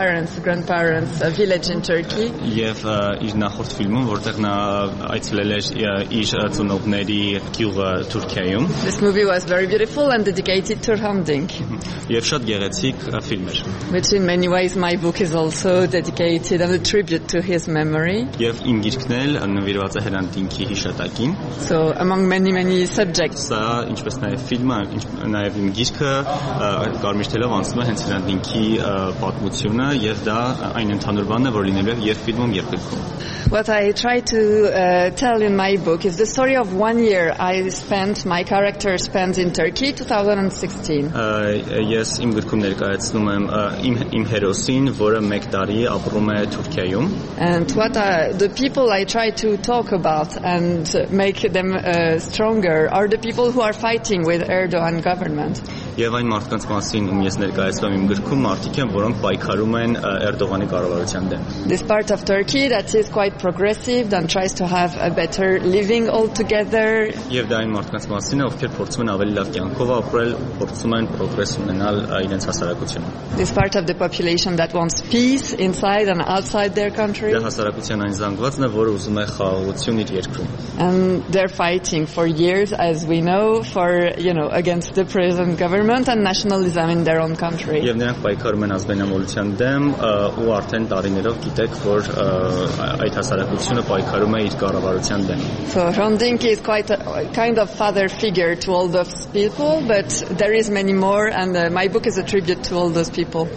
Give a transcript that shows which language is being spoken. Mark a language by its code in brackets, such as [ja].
[hy] Եվ իր նախորդ ֆիլմում, որտեղ նա այցելել էր իր ծնողների գյուղը Թուրքիայում։ [en] This movie was very beautiful and dedicated to Hamding. [hy] Եվ շատ գեղեցիկ ֆիլմ էր։ [en] Which in many ways my book is also dedicated as a tribute to his memory. [hy] Եվ իմ գիրքն էլ նվիրված է հրանդինքի հիշատակին։ [en] So among many subjects. [hy] Սա, ինչպես նաև ֆիլմը, նաև իմ գիրքը կարմիր թելով անցնում է հենց հրանդինքի պատմությունը, և դա այն ընդհանուր բանն է, որ լինելու է երբ ֆիլմում, երբ գրքում։ [en] What I try to tell in my book is the story of one year I spent, my character spent in Turkey 2016. [hy] Ես իմ գրքում ներկայացնում եմ իմ հերոսին, որը 1 տարի ապրում է Թուրքիայում։ [en] And what are the people I try to talk about and make them stronger are the people who are fighting with Erdogan government. [hy] Եվ այն մարդկանց մասին, ում ես ներկայացնում իմ գրքում, մարդիկ են, որոնք պայքարում են Էրդողանի կառավարության դեմ։ [en] This part of Turkey that is quite progressive and tries to have a better living altogether. [hy] Եվ դա այն մարդկանց մասին է, ովքեր փորձում են ավելի լավ կյանքով ապրել, փորձում են պրոգրես ունենալ իրենց հասարակությունը։ [en] This part of the population that wants peace inside and outside their country. [hy] Դա հասարակության այն զանգվածն է, որը ուզում է խաղաղություն իր երկրում։ [en] And they're fighting for years, as we know, for, you know, against the present government and nationalism in their own country. [hy] Եվ նրանք պայքարում են ազգայնամոլության դեմ, ու արդեն տարիներով գիտեք, որ այդ հասարակությունը պայքարում է իր կառավարության դեմ։ [en] So Hrondinki is quite a kind of father figure to all those people, but there is many more, and my book is a tribute to all those people.